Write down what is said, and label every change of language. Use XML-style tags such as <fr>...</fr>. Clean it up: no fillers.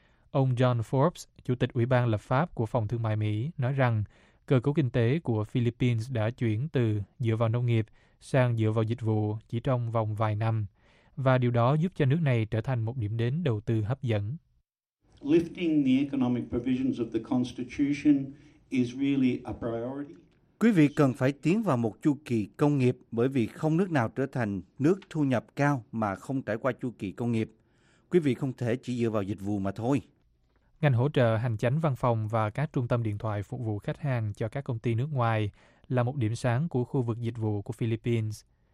<vi>Ông John Forbes, Chủ tịch Ủy ban Lập pháp của Phòng Thương mại Mỹ, nói rằng cơ cấu kinh tế của Philippines đã chuyển từ dựa vào nông nghiệp sang dựa vào dịch vụ chỉ trong vòng vài năm, và điều đó giúp cho nước này trở thành một điểm đến đầu tư hấp dẫn.</vi> <en>Lifting the economic provisions of the Constitution is really a priority.</en> <vi>Quý vị cần phải tiến vào một chu kỳ công nghiệp bởi vì không nước nào trở thành nước thu nhập cao mà không trải qua chu kỳ công nghiệp. Quý vị không thể chỉ dựa vào dịch vụ mà thôi. Ngành hỗ trợ hành chánh văn phòng và các trung tâm điện thoại phục vụ khách hàng cho các công ty nước ngoài là một điểm sáng của khu vực dịch vụ của Philippines.</vi>